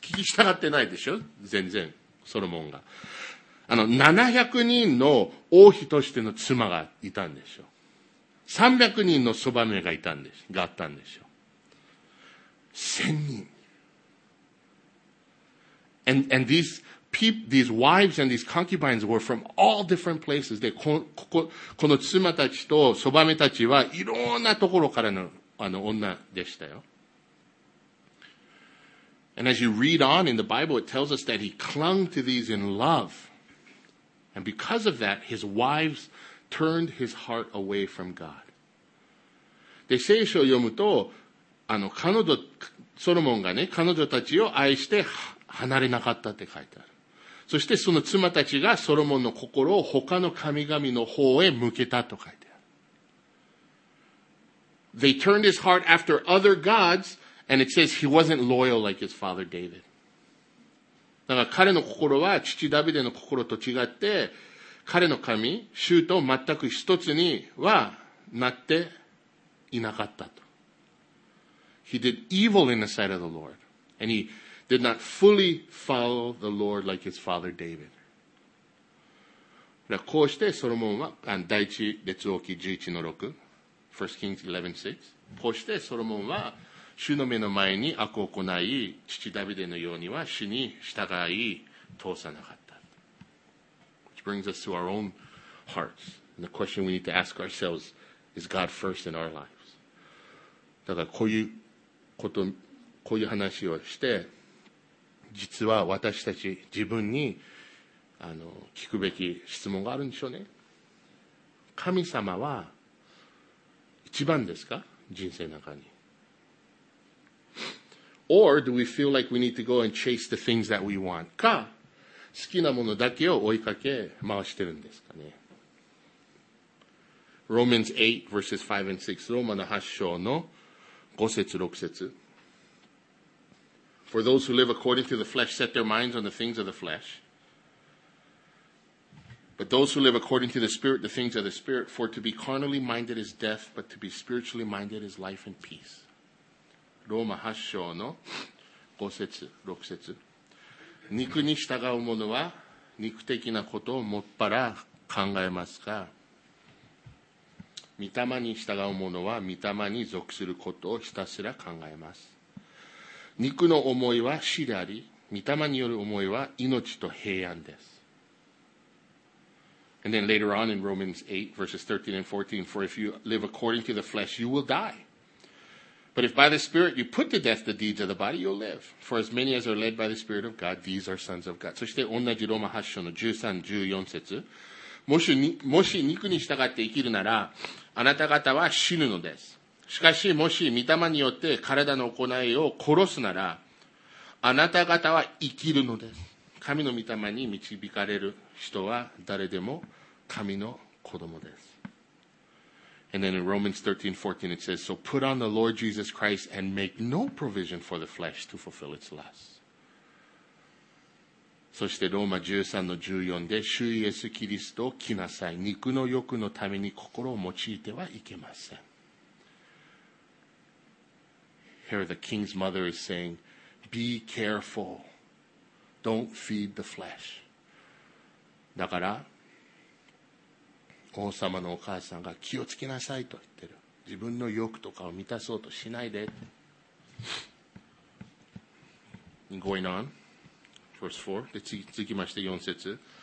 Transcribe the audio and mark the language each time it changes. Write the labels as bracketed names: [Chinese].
[Japanese] 聞きしたがってないでしょ？全然、ソロモンが。700人の王妃としての妻がいたんでしょう。 300人のそばめがいたんです、があったんでしょう。 1000人。 [English] And these people, these wives and these concubines were from all different places. [Japanese] で、この妻たちとそばめたちはいろんなところからの女でしたよ。 [English] And as you read on in the Bible, it tells us that he clung to these in love. And because of that, his wives turned his heart away from God. [Japanese] で、聖書を読むと、彼女、ソロモンがね、彼女たちを愛して離れなかったって書いてある。そしてその妻たちがソロモンの心を他の神々の方へ向けたと書いてある。 [English] They turned his heart after other gods, and it says he wasn't loyal like his father David. [Japanese] だから彼の心は父ダビデの心と違って、彼の神、衆と全く一つにはなっていなかったと。 [English] He did evil in the sight of the Lord. And he did not fully follow the Lord like his father David. [Japanese] だからこうしてソロモンは、第一列王記11の6、 [English] 1 Kings 11:6、 [Japanese] こうしてソロモンは、主の目の前に悪を行い、父ダビデのようには主に従い通さなかった。 [English] Which brings us to our own hearts. And the question we need to ask ourselves, is God first in our lives? [Japanese] だからこういうこと、こういう話をして、実は私たち自分に聞くべき質問があるんでしょうね。神様は一番ですか？人生の中に。 [English] Or do we feel like we need to go and chase the things that we want? [Japanese] か、好きなものだけを追いかけ回してるんですかね。 [English] Romans 8 verses 5 and 6. [Japanese] ローマの8章の5節6節。 [English] For those who live according to the flesh set their minds on the things of the flesh. But those who live according to the spirit, the things of the spirit. For to be carnally minded is death, but to be spiritually minded is life and peace. [Japanese] ローマ8章の5節6節、肉に従う者は肉的なことをもっぱら考えますが、御霊に従う者は御霊に属することをひたすら考えます。肉の思いは死であり、御霊による思いは命と平安です。 [English] And then later on in Romans 8 verses 13 and 14, for if you live according to the flesh you will dieBut if by the Spirit you put to death the deeds of the body, you'll live. For as many as are led by the Spirit of God, these are sons of God. [Japanese] そして同じローマ8章の13、14節。もし肉に従って生きるなら、あなた方は死ぬのです。しかしもし御霊によって体の行いを殺すなら、あなた方は生きるのです。神の御霊に導かれる人は誰でも神の子供です。 [English] And then in Romans 13:14 it says, So put on the Lord Jesus Christ and make no provision for the flesh to fulfill its lust. [Japanese] そしてローマ 13:14 で主イエスキリストを着なさい。肉の欲のために心を用いてはいけません。 [English] Here the king's mother is saying, Be carefulDon't feed the flesh. [Japanese] だから王様のお母さんが気をつけなさいと言ってる。自分の欲とかを満たそうとしないで。 [English] Going on, verse 4. [Japanese] で続きまして4節。